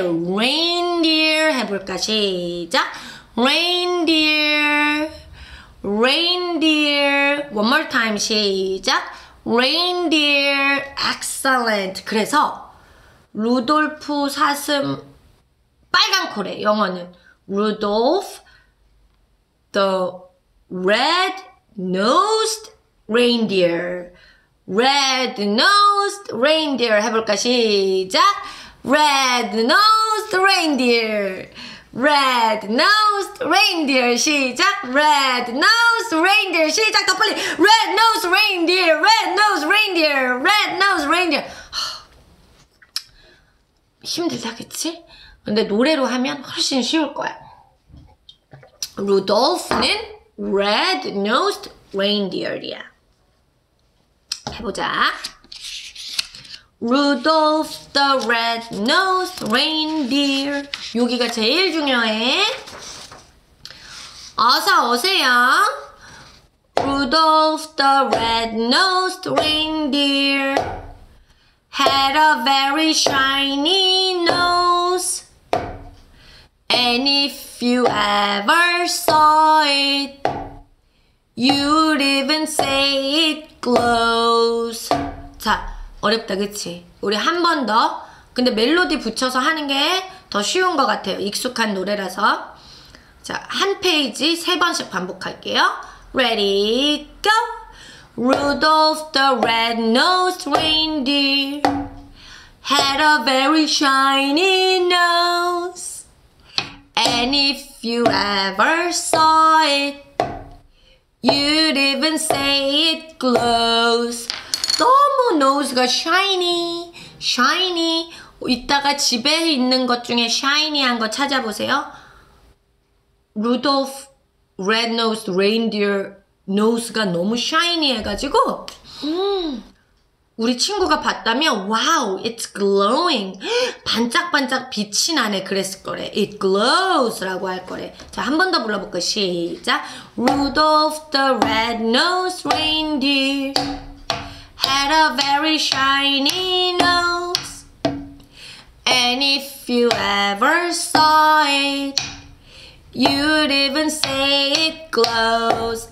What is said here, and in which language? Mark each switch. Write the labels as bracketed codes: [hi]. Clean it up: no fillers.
[ko] reindeer 해볼까? 시작. reindeer. [en] reindeer. one more time. [ko] 시작. [en] reindeer. excellent. [ko] 그래서 루돌프 사슴 빨간 코래. 영어는 [en] Rudolph the red-nosed reindeer. red-nosed reindeer 해볼까? [ko] 시작. [en] red-nosed reindeer. red-nosed reindeer. 시작. red-nosed reindeer. [ko] 시작. 더 빨리. [en] red-nosed reindeer. red-nosed reindeer. red-nosed reindeer. [ko] 힘들다, 그치? 근데 노래로 하면 훨씬 쉬울 거야. [en] Rudolph는 red-nosed reindeer이야. [ko] 해보자. [en] Rudolph the red-nosed reindeer. [ko] 여기가 제일 중요해. 어서 오세요. [en] Rudolph the red-nosed reindeer had a very shiny nose. And if you ever saw it, you'd even say it glows. [ko] 자, 어렵다, 그치? 우리 한 번 더. 근데 멜로디 붙여서 하는 게 더 쉬운 것 같아요. 익숙한 노래라서. 자, 한 페이지 세 번씩 반복할게요. [en] Ready, go! Rudolph the red-nosed reindeer had a very shiny nose. And if you ever saw it, you'd even say it glows. [ko] 너무 nose가 shiny, shiny. 이따가 집에 있는 것 중에 shiny한 거 찾아보세요. Rudolph red-nosed reindeer nose가 너무 shiny 해가지고 우리 친구가 봤다면 [en] 와우, it's glowing. [ko] 반짝반짝 빛이 나네 그랬을 거래. [en] it glows [ko] 라고 할 거래. 자, 한 번 더 불러볼까? 시작. [en] Rudolph the red-nosed reindeer had a very shiny nose. And if you ever saw it, you'd even say it glows.